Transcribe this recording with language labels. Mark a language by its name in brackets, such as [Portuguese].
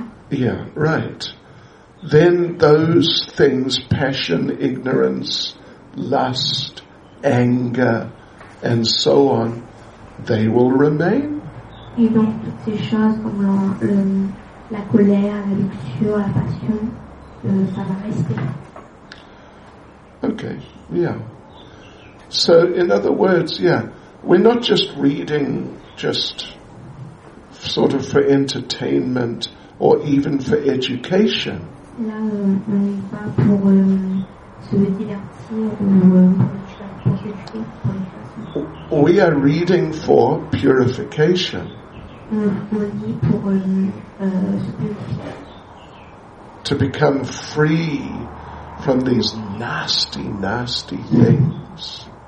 [English] Yeah, right. Then those things, passion, ignorance, lust, anger, and so on, they will remain. [French] Et donc toutes ces choses comme la colère, la luxure, la passion, ça va rester. [English] Okay, yeah. So in other words, yeah, we're not just reading just sort of for entertainment or even for education. [French] Là, on n'est pas pour se divertir ou pour éduquer. [English] We are reading for purification. [French] On lit pour se purifier. [English] To become free from these nasty, nasty things.